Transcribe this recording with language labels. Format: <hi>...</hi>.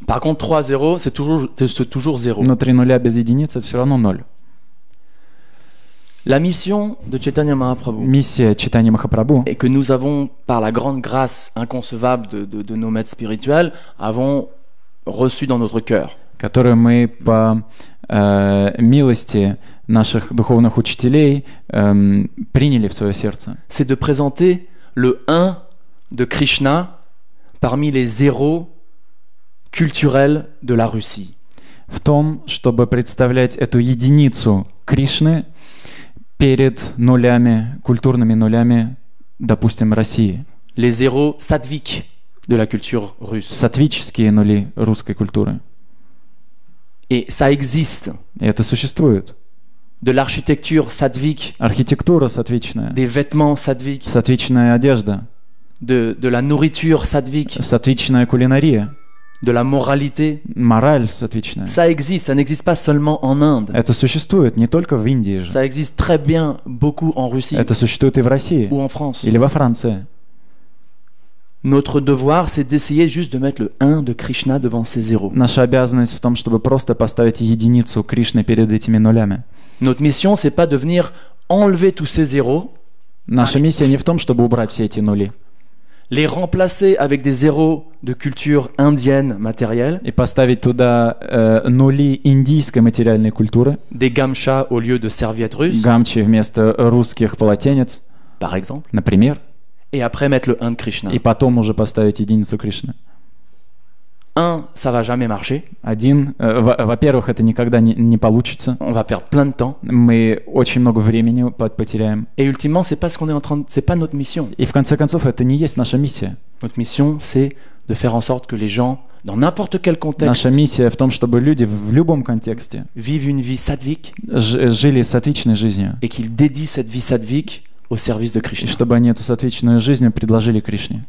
<fr>Par contre, 3 zéros, c'est toujours 0.</fr> <ru>Но 3 нуля без единицы – это все равно 0.</ru> <fr>La mission de Chaitanya Mahaprabhu.</fr> <ru>Миссия Чайтаньи Махапрабху.</ru> <fr>Et que nous avons, par la grande grâce inconcevable de nos maîtres spirituels, avons reçu dans notre cœur.</fr> <ru>Которую мы по милости наших духовных учителей приняли в свое сердце.</ru> <fr>C'est de présenter le 1 de Krishna parmi les zéros culturels de la Russie.</fr> <ru>В том, чтобы представлять эту единицу Кришны перед нулями, культурными нулями, допустим, России.</ru> <fr>Les zéros сатвиques de la culture russe.</fr> <ru>Сатвические нули русской культуры.</ru> <fr>Et ça existe.</fr> <ru>И это существует.</ru> <fr>De l'architecture sattvique.</fr> <ru>Архитектура сатвичная.</ru> <fr>Des vêtements sattviques.</fr> <ru>Сатвичная одежда.</ru> <fr>de la nourriture sattvique.</fr> <ru>Сатвичная кулинария.</ru> <fr>De la moralité.</fr> <ru>Мораль сатвичная.</ru> <fr>Ça existe, ça n'existe pas seulement en Inde.</fr> <ru>Это существует не только в Индии же.</ru> <fr>Ça existe très bien beaucoup en Russie.</fr> <ru>Это существует и в России.</ru> <fr>Ou en France.</fr> <ru>Или во Франции.</ru> <fr>Notre devoir, c'est d'essayer juste de mettre le 1 de Krishna devant ces zéros.</fr> <ru>Наша обязанность в том, чтобы просто поставить единицу Кришны перед этими нулями.</ru> <fr>Notre mission, c'est pas de venir enlever tous ces zéros.</fr> <ru>Наша миссия не в том, чтобы убрать все эти нули.</ru> <fr>Les remplacer avec des zéros de culture indienne matérielle.</fr> <ru>И поставить туда нули индийской материальной культуры.</ru> <fr>Des gamcha au lieu de serviettes russes.</fr> <ru>Гамчи вместо русских полотенец.</ru> <fr>Par exemple.</fr> <ru>Например.</ru> <fr>Et après mettre le 1 de Krishna.</fr> <ru>И потом уже поставить единицу Кришны.</ru> <fr>Un, ça va jamais marcher.</fr> <ru>Один, во-первых, это никогда не получится.</ru> <fr>On va perdre plein de temps.</fr> <ru>Мы очень много времени потеряем.</ru> <fr>Et ultimement, c'est pas ce qu'on est en train de, c'est pas notre mission.</fr> <ru>И в конце концов, это не есть наша миссия.</ru> <fr>Notre mission, c'est de faire en sorte que les gens dans n'importe quel contexte.</fr> <ru>Наша миссия в том, чтобы люди в любом контексте.</ru> <fr>Vivent une vie sattvique.</fr> <ru>Жили сатвичной жизнью.</ru> <fr>Et qu'ils dédient cette vie sattvique au service de Krishna.</fr> <ru>И чтобы они эту сатвичную жизнь предложили Кришне.</ru>